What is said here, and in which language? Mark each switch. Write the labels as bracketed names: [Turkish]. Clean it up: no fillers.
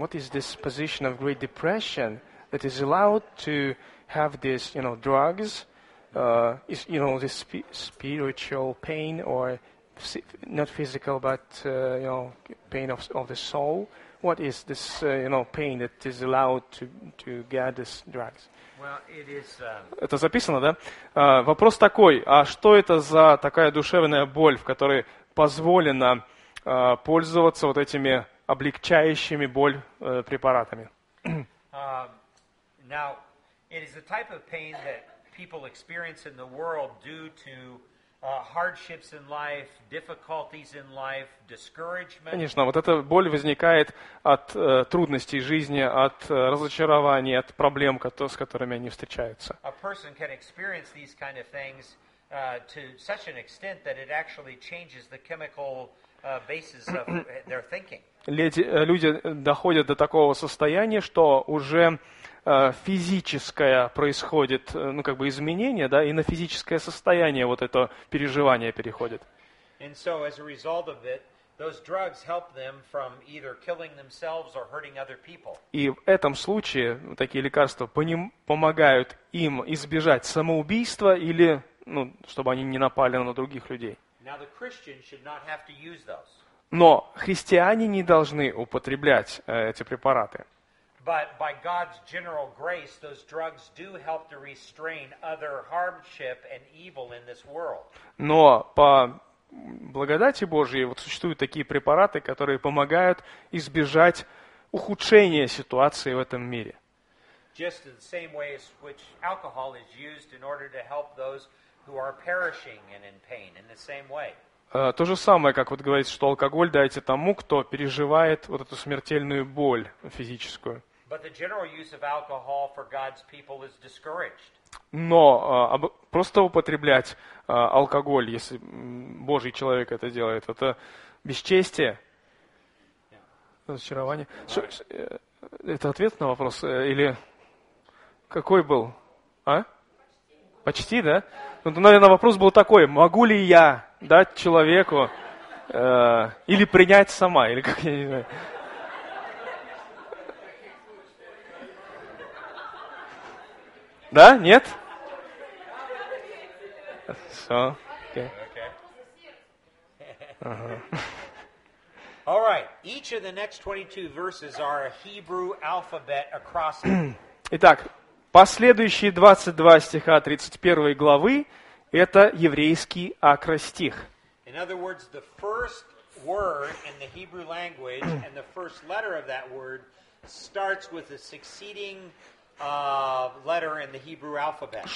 [English] What is this position of great depression that is allowed to have this, you know, drugs, is, you know, this spiritual pain or not physical, but, you know, pain of the soul? What is this, you know, pain that is allowed to get these drugs? [Russian] Это записано, да? Вопрос такой, а что это за такая душевная боль, в которой позволено пользоваться вот этими облегчающими боль препаратами? [English] Now, it is the type of pain that people experience in the world due to hardships in life, difficulties in life, discouragement. [Russian] Конечно, вот эта боль возникает от трудностей жизни, от разочарований, от проблем, с которыми они встречаются. [English] A person can experience these kind of things to such an extent that it actually changes the chemical basis of their thinking. [Russian] Люди доходят до такого состояния, что уже физическое происходит, ну, как бы изменение, да, и на физическое состояние вот это переживание переходит. [English] And so, as a result of it, those drugs help them from either killing themselves or hurting other people. [Russian] И в этом случае такие лекарства помогают им избежать самоубийства или, ну, чтобы они не напали на других людей. [English] Now, the Christian should not have to use those. [Russian] Но христиане не должны употреблять эти препараты. [English] But by God's general grace, those drugs do help to restrain other hardship and evil in this world. [Russian] Но по благодати Божьей вот существуют такие препараты, которые помогают избежать ухудшения ситуации в этом мире. [English] Just in the same way as which alcohol is used in order to help those who are perishing and in pain, in the same way. [Russian] То же самое, как вот говорится, что алкоголь дайте тому, кто переживает вот эту смертельную боль физическую. [English] But the general use of alcohol for God's people is discouraged. [Russian] Но просто употреблять алкоголь, если Божий человек это делает, это бесчестие, разочарование. Это ответ на вопрос? Или какой был? А? Почти, да? Ну, наверное, вопрос был такой, могу ли я дать человеку или принять сама, или как я не знаю. Да? Нет? Все. Окей. [English] All right. Each of the next 22 verses are a Hebrew alphabet acrostic. [Russian] Итак, последующие 22 стиха 31 главы – это еврейский акростих. [English] In other words, the first word in the Hebrew language and the first letter of that word starts with a succeeding letter in the Hebrew alphabet.